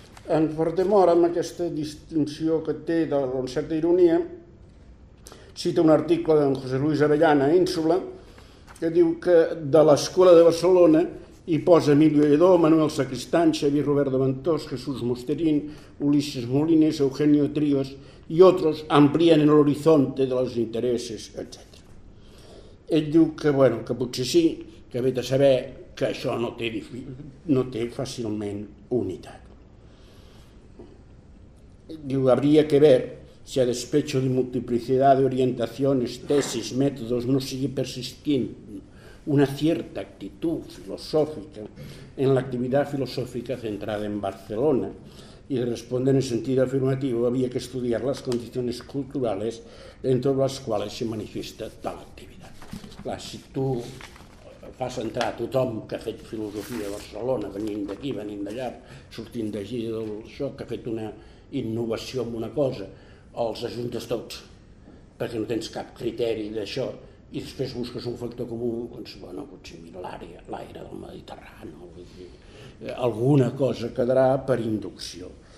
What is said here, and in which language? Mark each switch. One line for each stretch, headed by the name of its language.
Catalan: En Ferdemora, amb aquesta distinció que té d'una certa ironia, cita un article d'en José Luis Avellana a Ínsula, que diu que de l'Escola de Barcelona hi posa Emilio Lledó, Manuel Sacristán, Xavier Robert de Ventós, Jesús Musterín, Ulises Molines, Eugenio Trías i altres amplien
Spanish: el horizonte de los intereses,
Catalan: etc. Ell diu que, bueno, que potser sí, que ve de saber que això no té fàcilment unitat.
Spanish: Diu, habría que ver si a despecho de multiplicidad de orientaciones, tesis, métodos, no sigue persistiendo una cierta actitud filosófica en la actividad filosófica centrada en Barcelona. Y responde en el sentido afirmativo, había que estudiar las condiciones culturales dentro de las cuales se manifiesta tal actividad.
Catalan: Clar, si tu fas entrar a tothom que ha fet filosofia a Barcelona, venint d'aquí, venint d'allà, sortint d'allí, d'això, que ha fet una innovació en una cosa, els ajuntes tots, perquè no tens cap criteri d'això, i després busques un factor comú, doncs, bueno, potser mira l'àrea, l'aire del Mediterrani, vull dir, alguna cosa quedarà per inducció.